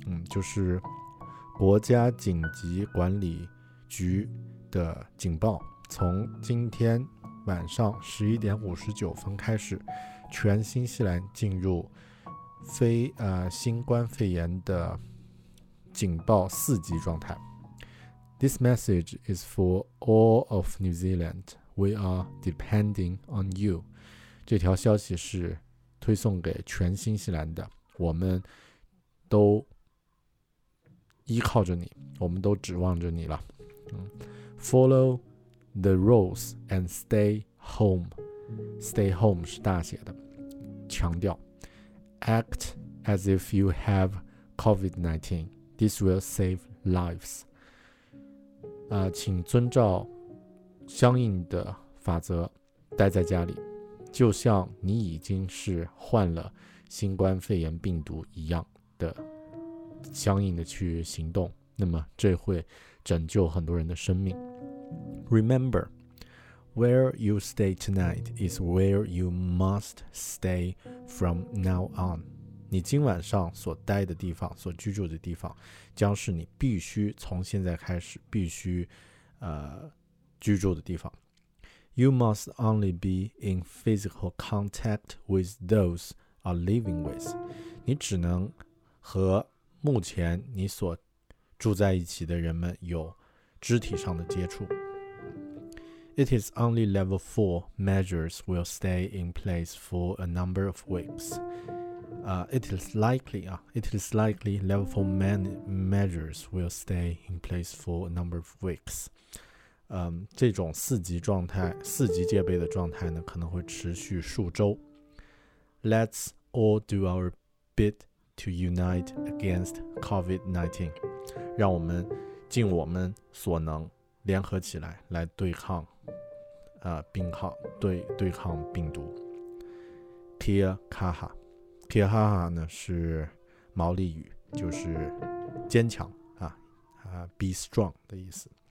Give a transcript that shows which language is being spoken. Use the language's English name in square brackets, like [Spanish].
[Chinese] 就是国家紧急管理局的警报，从今天晚上11:59开始，全新西兰进入新冠肺炎的警报四级状态。 [English] This message is for all of New Zealand. We are depending on you. [Chinese] 这条消息是推送给全新西兰的，我们都依靠着你，我们都指望着你了。 [English] Follow the rules and stay home. [Chinese] Stay home 是大写的，强调。 [English] Act as if you have COVID-19. This will save lives. [Chinese] 请遵照相应的法则，待在家里，就像你已经是患了新冠肺炎病毒一样的相应的去行动，那么这会拯救很多人的生命。 [English] Remember, where you stay tonight is where you must stay from now on. [Chinese] 你今晚上所待的地方、所居住的地方，将是你必须从现在开始必须居住的地方。 [English] You must only be in physical contact with those are living with. [Chinese] 你只能和目前你所住在一起的人们有肢体上的接触。 [English] It is only level 4 measures will stay in place for a number of weeks. It is likely level 4 measures will stay in place for a number of weeks. [Chinese] 这种四级状态、四级戒备的状态呢，可能会持续数周。 [English] Let's all do our bit to unite against COVID-19. [Chinese] 让我们尽我们所能，联合起来来对抗，对抗病毒。 [Māori] Kia kaha， Kia kaha [Chinese] 呢是毛利语，就是坚强啊， [English] be strong [Chinese] 的意思。